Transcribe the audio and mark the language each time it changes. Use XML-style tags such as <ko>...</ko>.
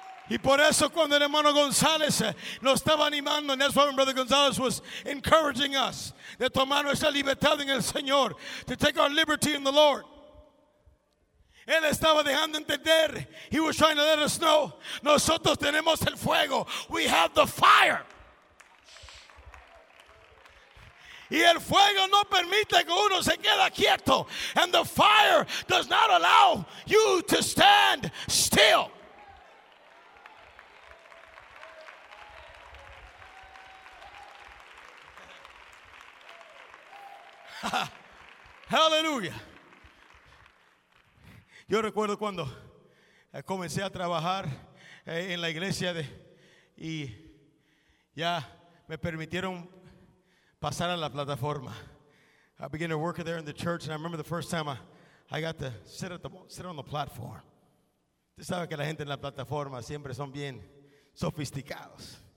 <es>Y por eso cuando el hermano González nos estaba animando,</es> <en>and that's why my brother Gonzalez was encouraging us,</en> <es>de tomar nuestra libertad en el Señor,</es> <en>to take our liberty in the Lord.</en> <es>Él estaba dejando entender,</es> <en>he was trying to let us know,</en> <es>nosotros tenemos el fuego,</es> <en>we have the fire.</en> <es>Y el fuego no permite que uno se quede quieto.</es> <en>And the fire does not allow you to stand still. Hallelujah.</en> <es>Yo recuerdo cuando comencé a trabajar en la iglesia de, y ya me permitieron pasar a la plataforma.</es> <en>I began to work there in the church, and I remember the first time I got to sit on the platform.</en> <es>Usted sabe que la gente en la plataforma siempre son bien sofisticados.</es>